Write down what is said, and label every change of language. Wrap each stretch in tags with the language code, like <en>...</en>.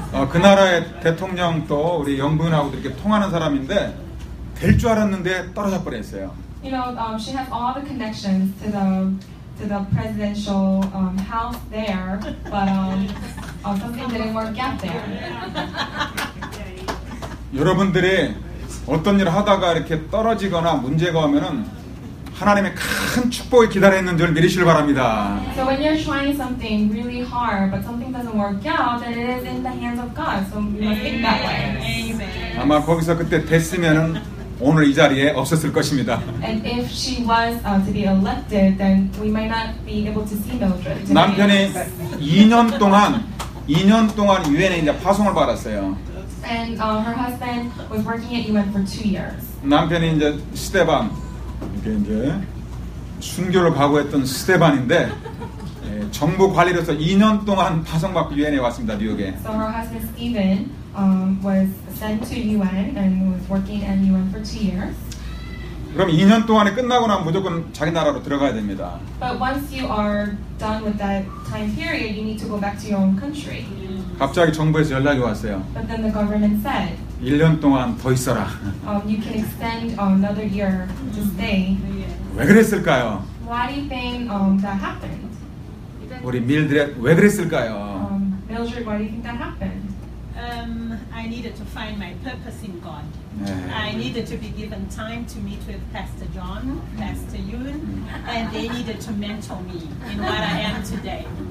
<ko>그 나라의 대통령 또 우리 영부인하고 이렇게 통하는 사람인데 될 줄 알았는데 떨어져 버렸어요.</ko> <en>You know, she has all the connections to the presidential house there, but something didn't work out there.</en> <ko>여러분들이 어떤 일을 하다가 이렇게 떨어지거나 문제가 오면은 하나님의 큰 축복이 기다려 있는 줄 믿으시길 바랍니다.</ko> <en>So when you're trying something really hard but something doesn't work out, then it is in the hands of God. So you must think that way. Amen.</en> <ko>아마 거기서 그때 됐으면은 오늘 이 자리에 없었을 것입니다.</ko> <en>And if she was to be elected, then we might not be able to see Mildred today.</en> <ko>남편이 2년 동안 UN에 이제 파송을 받았어요.</ko> <en>And her husband was working at UN for 2 years.</en> <ko>남편이 이제 스테반, 이게 이제 순교를 각오했던 스테반인데 정부 관리로서 2년 동안 파송받고 UN에 왔습니다, 뉴욕에.</ko> <en>So her husband Stephen was sent to UN and was working at UN for 2 years.</en> <ko>그럼 2년 동안에 끝나고 나면 무조건 자기 나라로 들어가야 됩니다.</ko> <en>But once you are done with that time period, you need to go back to your own country.</en> <ko>갑자기 정부에서 연락이 왔어요.</ko> <en>But then the government said,</en> <ko>1년 동안 더 있어라.</ko> <en>You can extend another year to stay.</en> <ko>왜 그랬을까요?</ko> <en>Why do you think that happened?</en> <ko>우리 밀드렛 왜 그랬을까요?</ko> <en>Mildred, why do you think that happened? I needed to find my purpose in God. I needed to be given time to meet with Pastor John, Pastor Yoon, and they needed to mentor me in what I am today.</en>